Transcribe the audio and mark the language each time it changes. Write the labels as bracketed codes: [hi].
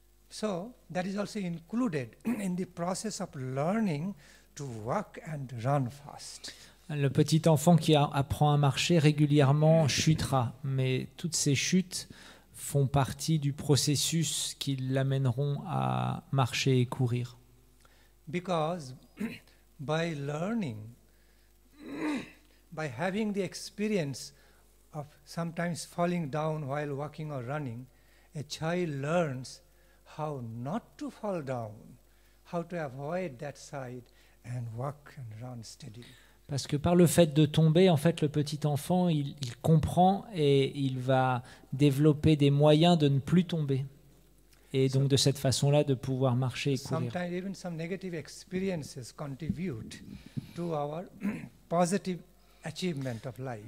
[en] So that is also included in the process of learning to walk and run fast. [fr] Le petit enfant qui apprend à marcher régulièrement chutera, mais toutes ces chutes font partie du processus qui l'amèneront à marcher et courir. [en] Because by learning, by having the experience of sometimes falling down while walking or running, a child learns how not to fall down, how to avoid that side and walk and run steadily. [fr] Parce que par le fait de tomber, en fait, le petit enfant, il comprend et il va développer des moyens de ne plus tomber. Et donc de cette façon-là, de pouvoir marcher et courir. [en] Sometimes even some negative experiences contribute to our positive achievement of life.